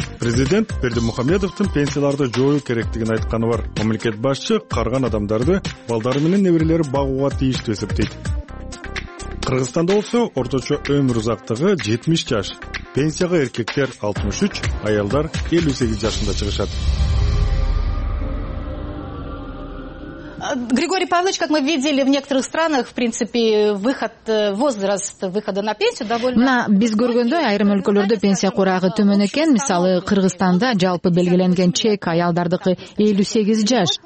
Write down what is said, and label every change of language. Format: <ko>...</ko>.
<ky>Президент Бердимухамедовдун пенсияларды жоюу керектигин айтканы бар. Мамлекет башчы карган адамдарды балдары менен неберелери багууга тийиштүү эсептейт. Кыргызстанда болсо орточо өмүр узактыгы 70 жаш, пенсияга эркектер 63, аялдар 58 жашында чыгышат.</ky> <ru>Григорий Павлович, как мы видели, в некоторых странах, в принципе, выход, возраст выхода на пенсию довольно...</ru> <ky>Мына биз көргөндөй, айрым өлкөлөрдө пенсия курагы төмөн экен. Мисалы, Кыргызстанда жалпы белгиленген чек аялдардыкы 58 жаш.</ky>